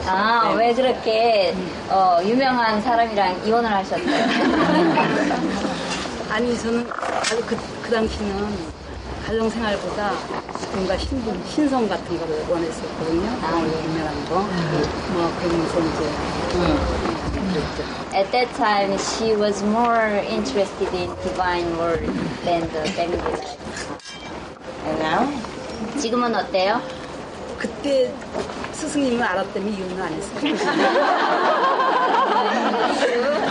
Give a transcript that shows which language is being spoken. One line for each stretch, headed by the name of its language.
Korean: 아, 왜 그렇게 유명한 사람이랑 이혼을 하셨어요? 아니, 저는 바로 그 당시는 가정생활보다 뭔가 신성 같은 거를 원했었거든요. 아, 유명한 거. 뭐, 그러면서 이제.
English: At that time, she was more interested in divine world than the family life. And now?
Korean: 지금은 어때요? 그때 스승님을 알았더니 이혼을 안 했어요.